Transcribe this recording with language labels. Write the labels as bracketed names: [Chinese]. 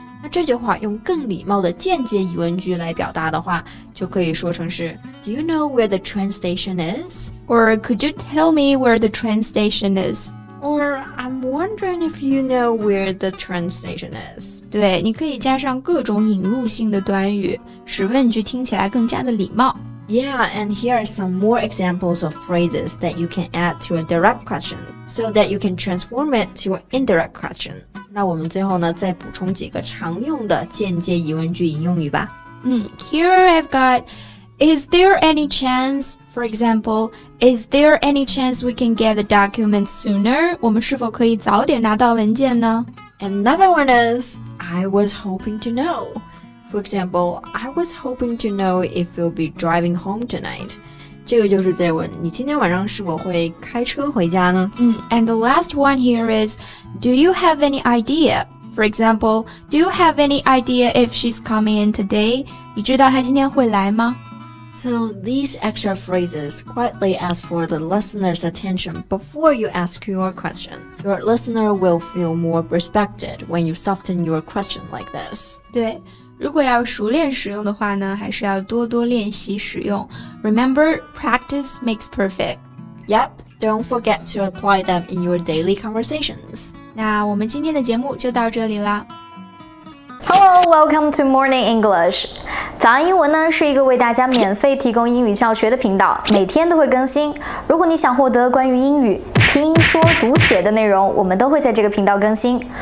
[Chinese] 那这句话用更礼貌的间接疑问句来表达的话，就可以说成是 [English] Do you know where the train station is? Or could you tell me where the train station is? Or I'm wondering if you know where the train station is. [Chinese] 对，你可以加上各种引入性的短语，使问句听起来更加的礼貌。 [English] Yeah, and here are some more examples of phrases that you can add to a direct question, so that you can transform it to an indirect question. [Chinese] 那我们最后呢，再补充几个常用的间接疑问句引用语吧。 [English] Here I've got, is there any chance, for example, is there any chance we can get the documents sooner? [Chinese] 我们是否可以早点拿到文件呢？ [English] Another one is, I was hoping to know. For example, I was hoping to know if you'll be driving home tonight. [Chinese] 这个就是在问你今天晚上是否会开车回家呢？ [English] And the last one here is, do you have any idea? For example, do you have any idea if she's coming in today? [Chinese] 你知道她今天会来吗？ [English] So these extra phrases quietly ask for the listener's attention before you ask your question. Your listener will feel more respected when you soften your question like this. [Chinese] 对，如果要熟练使用的话呢，还是要多多练习使用。 [English] Remember, practice makes perfect. Yep, don't forget to apply them in your daily conversations. [Chinese] 那我们今天的节目就到这里啦。 [English] Hello, welcome to Morning English. [Chinese] 早安英文呢是一个为大家免费提供英语教学的频道，每天都会更新。如果你想获得关于英语听说读写的内容，我们都会在这个频道更新。